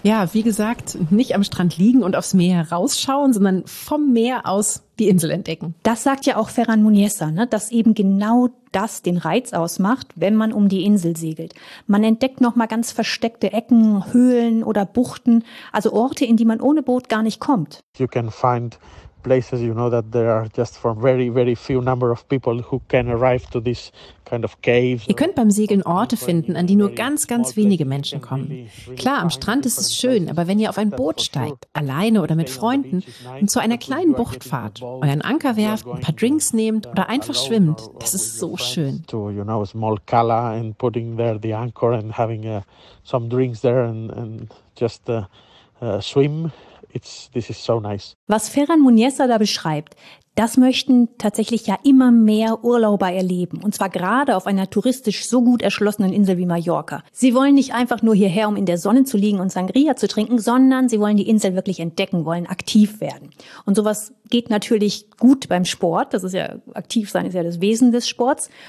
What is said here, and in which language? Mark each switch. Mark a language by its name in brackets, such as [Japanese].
[German] Ja, wie gesagt, nicht am Strand liegen und aufs Meer rausschauen, sondern vom Meer aus die Insel entdecken. Das sagt ja auch Ferran Muñeza, ne? Dass eben genau das den Reiz ausmacht, wenn man um die Insel segelt. Man entdeckt nochmal ganz versteckte Ecken, Höhlen oder Buchten, also Orte, in die man ohne Boot gar nicht kommt. [English] You can find places, you know, that there are just for very, very few number of people who can arrive to this kind of caves. [German] Ihr könnt beim Segeln Orte finden, an die nur ganz, ganz wenige Menschen kommen. Klar, am Strand ist es schön, aber wenn ihr auf ein Boot steigt, alleine oder mit Freunden und zu einer kleinen Bucht fahrt, euren Anker werft, ein paar Drinks nehmt oder einfach schwimmt, das ist so schön. [English] To, you know, a small color and putting there the anchor and having some drinks there and just swim. This is so nice. [German] Was Ferran Muñeza da beschreibt, Das möchten tatsächlich ja immer mehr Urlauber erleben. Und zwar gerade auf einer touristisch so gut erschlossenen Insel wie Mallorca. Sie wollen nicht einfach nur hierher, um in der Sonne zu liegen und Sangria zu trinken, sondern sie wollen die Insel wirklich entdecken, wollen aktiv werden. Und sowas geht natürlich gut beim Sport. Das ist ja, aktiv sein ist ja das Wesen des Sports.